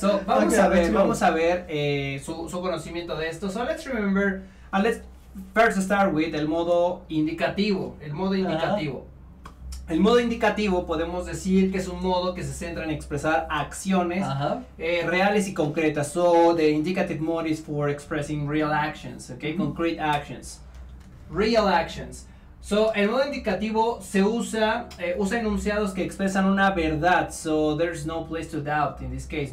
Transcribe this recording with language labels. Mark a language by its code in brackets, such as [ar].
[es] So, vamos a ver su conocimiento de esto. [en] So, let's remember, and let's first start with el modo indicativo. [es] El modo indicativo. Uh-huh. El modo indicativo podemos decir que es un modo que se centra en expresar acciones reales y concretas. [en] So, the indicative mode is for expressing real actions, okay? Mm-hmm. Concrete actions. Real actions. [es] So, el modo indicativo se usa enunciados que expresan una verdad. [en] So, there's no place to doubt in this case.